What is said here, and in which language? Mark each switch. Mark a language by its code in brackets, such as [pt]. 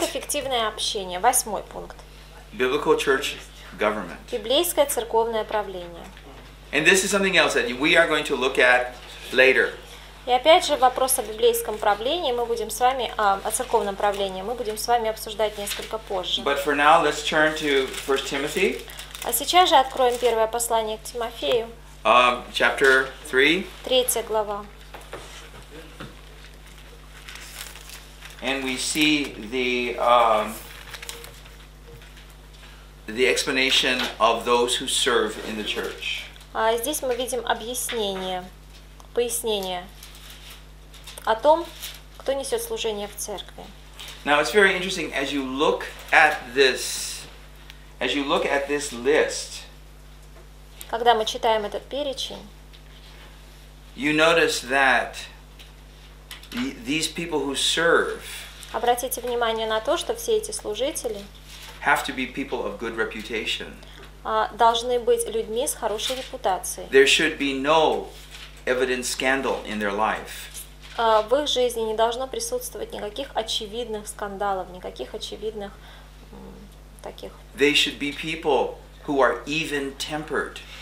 [ru] Как эффективное общение. Восьмой пункт. [en] Biblical church government. [ru] Библейское церковное правление. [en] And this is something else that we are going to look at later. [ru] И опять же вопрос о библейском правлении мы будем с вами о церковном правлении мы будем с вами обсуждать несколько позже. [en] But for now, let's turn to 1 Timothy. [ru] А сейчас же откроем первое послание к Тимофею. [en] Chapter 3. [ru] Третья глава. [en] And we see the explanation of those who serve in the church. [ru] А здесь мы видим объяснение, пояснение. О том, кто несет служение в церкви. [en] Now it's very interesting as you look at this, as you look at this list. [ru] Когда мы читаем этот перечень, [en] you notice that these people who serve. [ru] Обратите внимание на то, что все эти служители [en] have to be people of good reputation. [ru] Должны быть людьми с хорошей репутацией. [en] There should be no evident scandal in their life. [ru] В их жизни не должно присутствовать никаких очевидных скандалов, никаких очевидных таких. [en] They should be people who are even-tempered.